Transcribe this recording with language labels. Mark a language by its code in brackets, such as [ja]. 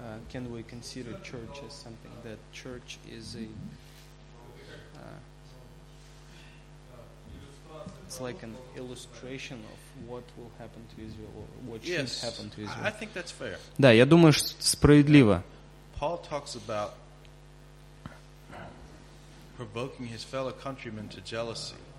[en] Can we consider church as something that church is a it's like an illustration of what will happen to Israel or what yes, should happen to Israel? I think that's fair. [ru] Да, я думаю, что справедливо. [en] Paul talks about provoking his fellow countrymen to jealousy.